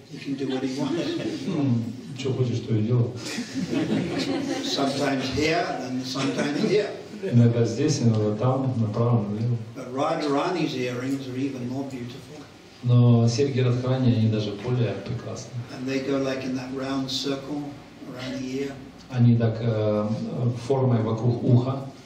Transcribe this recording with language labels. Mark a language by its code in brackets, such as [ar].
[en] He can do what he wants. [ru] Что хочешь, то и делай. [en] Sometimes here, and sometimes here. [ru] Иногда здесь, иногда там, направо, налево. [en] But Radharani's earrings are even more beautiful. [ru] Но серьги Радхарани, они даже более прекрасны. [en] And they go like in that round circle. [ru] Они так формой вокруг уха.